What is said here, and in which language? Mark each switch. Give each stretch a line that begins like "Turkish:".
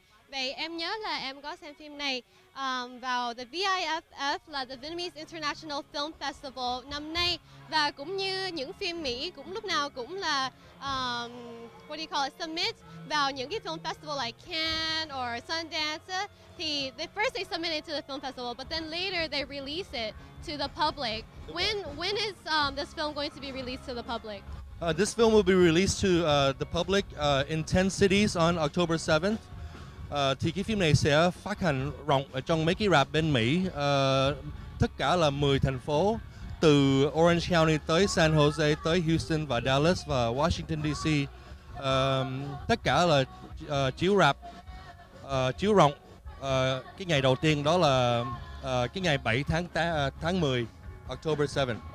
Vietnamese: Vậy em nhớ là em có xem phim này vào the VIFF là the Vietnamese International Film Festival năm nay, và cũng như những phim Mỹ cũng lúc nào cũng là
English: what do you call it,
Vietnamese: submit vào những cái film festival like Cannes or Sundance.
English: Thì they first they submit it to the film festival, but then later they release it to the public. When is this film going to be released to the public? This film will be released to the public in 10 cities on October 7th.
Vietnamese: Thì cái phim này sẽ phát hành rộng ở trong mấy cái rạp bên Mỹ, tất cả là 10 thành phố, từ Orange County tới San Jose tới Houston và Dallas và Washington DC, tất cả là chiếu rạp, chiếu rộng cái ngày đầu tiên, đó là cái ngày 7 tháng 10, October 7.